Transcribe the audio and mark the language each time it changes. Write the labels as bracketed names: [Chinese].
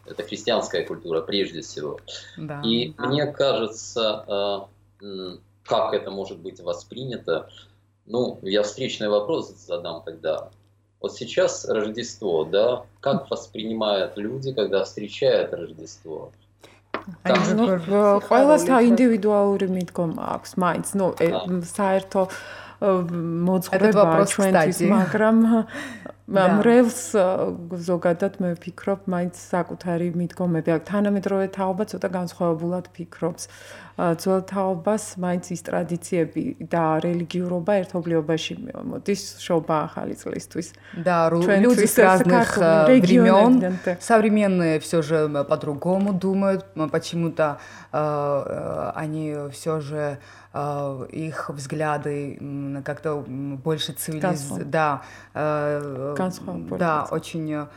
[Russian] Это христианская культура прежде всего. Да. И мне кажется, как это может быть воспринято? Ну, я встречный вопрос задам тогда. Вот сейчас Рождество, да? Как воспринимают люди, когда встречают Рождество? [Georgian] Ყველასთან ინდივიდუალური მიდგომა აქვს მაინც, ნუ საერთო მოძღვრება ჩვენთვის, მაგრამ მრევლს ზოგადად მე ვფიქრობ, მაინც საკუთარი მიდგომები აქვს. თანამედროვე თაობა ცოტა განსხვავებულად ფიქრობს. ძველ თაობას მაინც ის ტრადიციები და რელიგიურობა ერთობლიობაში მოდის შობა ახალი წლისთვის. [Russian] Да, люди с разных времён, современные всё же по-другому думают, почему-то они всё же их взгляды как-то больше да, очень